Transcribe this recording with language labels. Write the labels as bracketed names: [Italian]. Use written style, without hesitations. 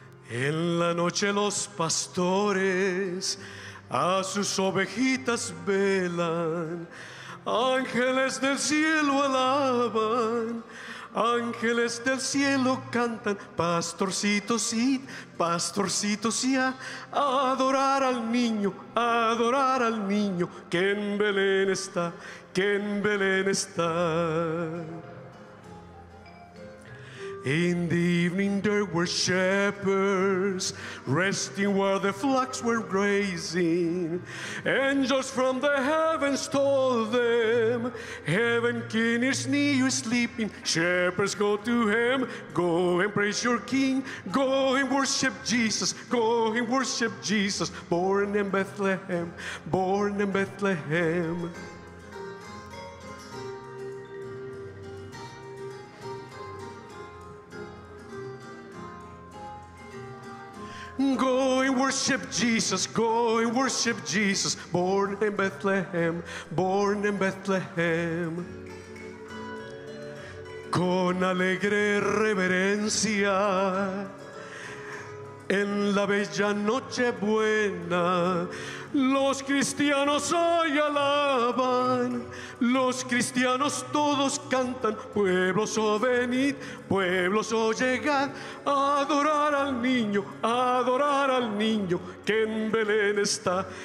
[Spanish] En la noche los pastores a sus ovejitas velan, ángeles del cielo alaban, ángeles del cielo cantan, pastorcitos y pastorcitos y a adorar al niño, a adorar al niño, que en Belén está, que en Belén está. [English] In the evening there were shepherds resting while the flocks were grazing. Angels from the heavens told them, heaven king is near you sleeping. Shepherds, go to him, go and praise your king. Go and worship Jesus, go and worship Jesus. Born in Bethlehem, born in Bethlehem. Go and worship Jesus, go and worship Jesus, born in Bethlehem, born in Bethlehem. [Spanish] Con alegre reverencia, en la bella noche buena, los cristianos hoy alaban, los cristianos todos cantan, pueblos, oh venid, pueblos, oh llegad, a adorar al niño, a adorar al niño, que en Belén está,